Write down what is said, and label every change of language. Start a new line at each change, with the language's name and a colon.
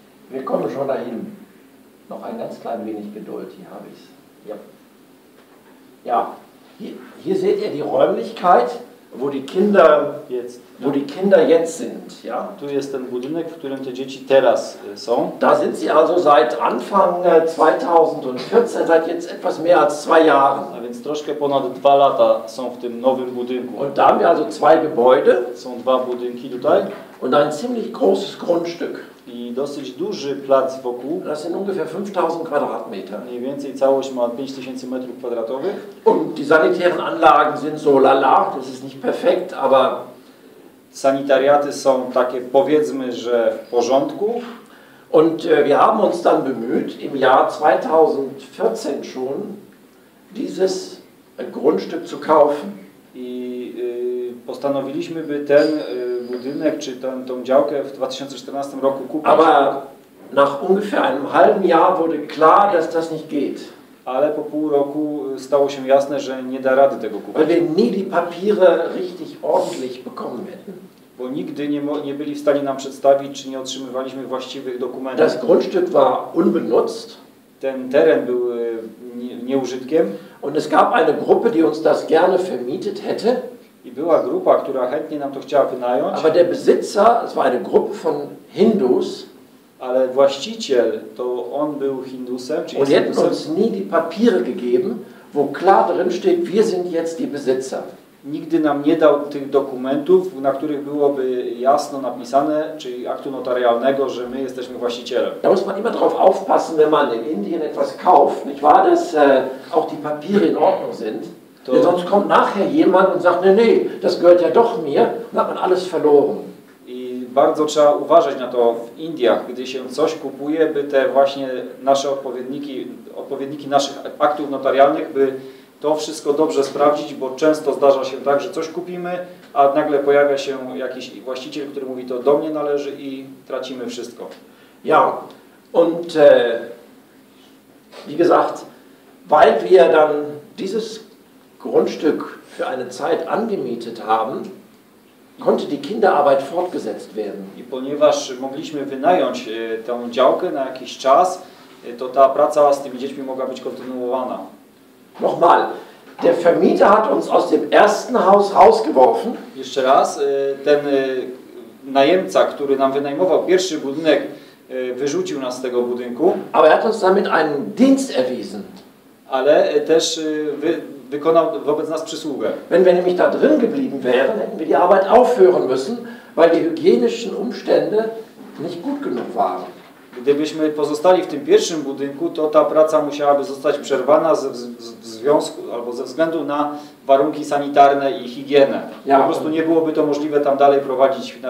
German: Wir kommen schon dahin. Noch ein ganz klein wenig Geduld, hier habe ich es. Ja, ja. Hier seht ihr die Räumlichkeit, wo die Kinder jetzt, wo die Kinder jetzt sind. Ja.
Polish: Tu jest ten budynek, w którym te dzieci teraz są.
German: Da sind sie also seit Anfang 2014, seit jetzt etwas mehr als 2 Jahren.
Polish: A więc troszkę ponad 2 lata są w tym nowym budynku.
German: Und da haben wir also 2 Gebäude.
Polish: Są 2 budynki tutaj.
German: Und ein ziemlich großes Grundstück.
Polish: I dosyć duży plac wokół.
German: Das sind ungefähr 5000 Quadratmeter.
Polish: Mniej więcej całość ma 5000 metrów kwadratowych.
German: Und die sanitären Anlagen sind so lala, das ist nicht perfekt, aber
Polish: sanitariaty są takie, powiedzmy, że w porządku.
German: Und wir haben uns dann bemüht im Jahr 2014 schon dieses Grundstück zu kaufen.
Polish: I postanowiliśmy, by ten budynek, czy tą działkę w 2014 roku kupić.
German: Aber nach ungefähr einem halben Jahr wurde klar, dass das nicht geht.
Polish: ale po pół roku stało się jasne, że nie da rady tego kupić.
German: Weil wir nie die Papiere richtig ordentlich bekommen werden.
Polish: Bo nigdy nie byli w stanie nam przedstawić, czy nie otrzymywaliśmy właściwych dokumentów.
German: Das Grundstück war unbenutzt.
Polish: Ten teren był nieużytkiem.
German: Und es gab eine Gruppe, die uns das gerne vermietet hätte.
Polish: I była grupa, która chętnie nam to chciała wynająć.
German: Aber der Besitzer, es war eine Gruppe von Hindus.
Polish: Ale właściciel, to on był Hindusem, czy jest Hindusem.
German: Und die hat uns nie die Papiere gegeben, wo klar drin steht, wir sind jetzt die Besitzer.
Polish: Nigdy nam nie dał tych dokumentów, na których byłoby jasno napisane, czyli aktu notarialnego, że my jesteśmy właścicielem.
German: Da muss man immer drauf aufpassen, wenn man in Indien etwas kauft, nicht wahr, dass auch die Papiere in Ordnung sind. To... Sonst kommt nachher jemand und sagt, nee, nee, das gehört ja doch mir, dann hat man alles verloren.
Polish: I bardzo trzeba uważać na to w Indiach, gdy się coś kupuje, by te właśnie nasze odpowiedniki naszych aktów notarialnych, by to wszystko dobrze sprawdzić, bo często zdarza się tak, że coś kupimy, a nagle pojawia się jakiś właściciel, który mówi, to do mnie należy i tracimy wszystko.
German: Ja, und wie gesagt, weil wir dann dieses Grundstück für eine Zeit angemietet haben, konnte die Kinderarbeit fortgesetzt werden.
Polish: I ponieważ mogliśmy wynająć tę działkę na jakiś czas, to ta praca z tymi dziećmi mogła być kontynuowana.
German: Nochmal, der Vermieter hat uns aus dem ersten Haus rausgeworfen.
Polish: Jeszcze raz, ten najemca, który nam wynajmował pierwszy budynek, wyrzucił nas z tego budynku.
German: Aber er hat uns damit einen Dienst erwiesen.
Polish: Ale też wykonał wobec nas przysługę.
German: Wenn wir nämlich da drin geblieben wären, hätten wir die Arbeit aufhören müssen, weil die hygienischen Umstände nicht gut genug waren.
Polish: Gdybyśmy pozostali w tym pierwszym budynku, to ta praca musiałaby zostać przerwana ze względu na warunki sanitarne i higienę. Ja, po prostu nie byłoby to możliwe tam dalej prowadzić.